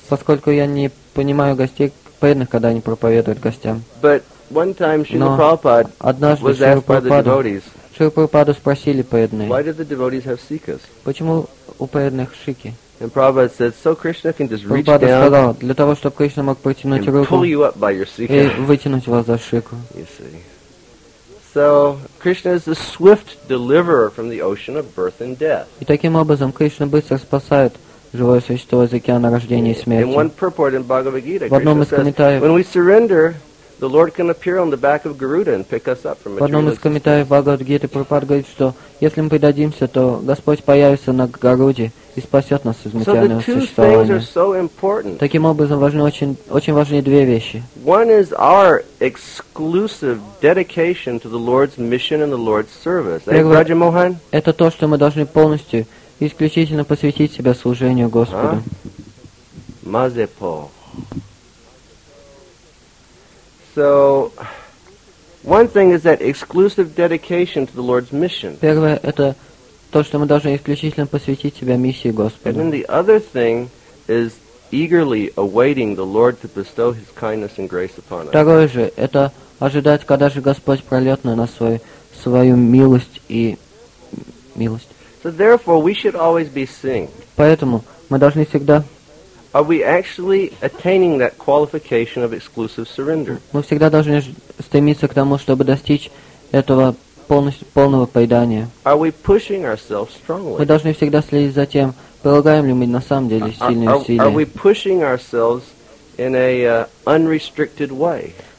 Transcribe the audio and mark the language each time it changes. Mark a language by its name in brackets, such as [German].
[Russian] Поскольку я не понимаю гостей преданных, когда они проповедуют гостям. [English] But one time Srila Prabhupada was asked by the devotees. [Russian] Шрила Прабхупаду спросили преданные. [English] Why did the devotees have sikhas? [Russian] Почему у преданных шики? [English] And Prabhupada said, so Krishna can just reach down. [Russian] Сказал, для того, чтобы Кришна мог протянуть руку [English] and pull you up by your sikha. [Russian] И вытянуть вас за шику. [English] You see. So Krishna is the swift deliverer from the ocean of birth and death. [Russian] И таким образом Кришна быстро спасает живое существо из океана рождения и смерти. [English] In one purport in Bhagavad Gita, Krishna says, when we surrender, the Lord can appear on the back of Garuda and pick us up from a tree. [Russian] В одном из комментариев Бхагавад Гиты Прабхупада говорит, что если мы предадимся, то Господь появится на Гаруде и спасет нас из материального существования. Таким образом, важны очень, очень важны две вещи. [English] One is our exclusive dedication to the Lord's mission and the Lord's service. [Russian] Раджа-Мохан? Это то, что мы должны полностью исключительно посвятить себя служению Господу. Мазепо. [English] So, one thing is that exclusive dedication to the Lord's mission. [Russian] Первое – это то, что мы должны исключительно посвятить себя миссии Господа. [English] And then the other thing is eagerly awaiting the Lord to bestow His kindness and grace upon us. [Russian] Второе же – это ожидать, когда же Господь прольет на нас свою милость и милость. [English] So, therefore, we should always be seeing. [Russian] Поэтому мы должны всегда… [English] Are we actually attaining that qualification of exclusive surrender? [Russian] Мы всегда должны стремиться к тому, чтобы достичь этого полного предания. [English] Are we pushing ourselves strongly? [Russian] Мы должны всегда следить за тем, прилагаем ли мы на самом деле сильные усилия. [English] Are we pushing ourselves in a unrestricted way?